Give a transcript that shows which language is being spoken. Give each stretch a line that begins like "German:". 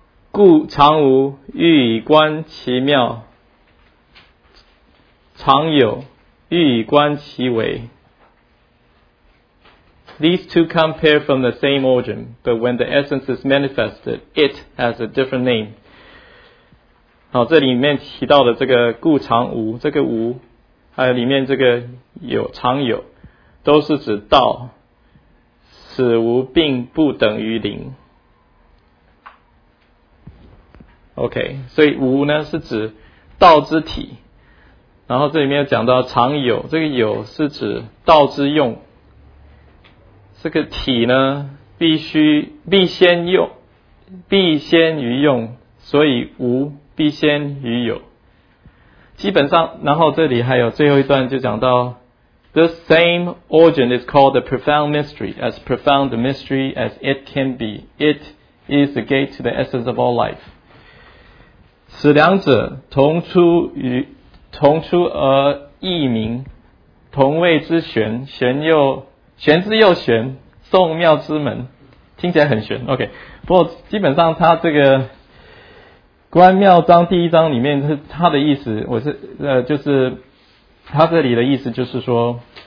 Chinese: 故常无欲以观其妙，常有欲以观其微。
English: These two come pair from the same origin, but when the essence is manifested, it has a different name.
Chinese: 好，这里面提到的这个故常无，这个无还有里面这个有常有，都是指道，此无并不等于零。 OK， 所以无呢是指道之体，然后这里面有讲到常有，这个有是指道之用，这个体呢必先于用，所以无必先于有。基本上，然后这里还有最后一段就讲到
English: The same origin is called the profound mystery, as profound the mystery as it can be. It is the gate to the essence of all life.
Chinese: 此两者同出而异名，同谓之玄，玄之又玄，宋妙之门。听起来很玄， OK。不过基本上它这个观庙章第一章里面，他的意思，就是他这里的意思就是说，